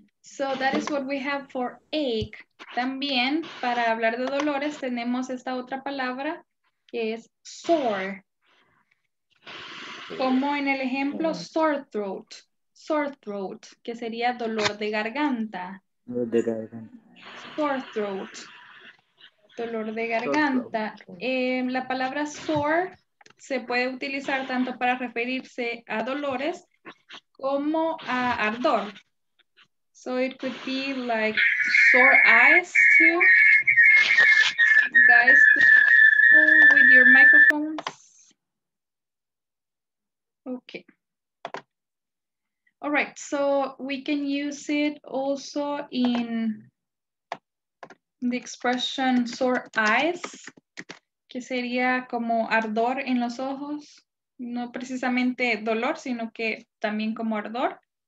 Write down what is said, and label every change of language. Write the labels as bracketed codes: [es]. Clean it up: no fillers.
[en] So that is what we have for ache. [es] También, para hablar de dolores, tenemos esta otra palabra, que es sore. Como en el ejemplo, sore throat. Sore throat, que sería dolor de garganta. Dolor de garganta. Sore throat. Dolor de garganta. La palabra sore se puede utilizar tanto para referirse a dolores como a ardor. [en] So it could be like sore eyes too. Guys, with your microphones. Okay. All right, so we can use it also in the expression sore eyes, [es] que sería como ardor en los ojos, no precisamente dolor, sino que también como ardor.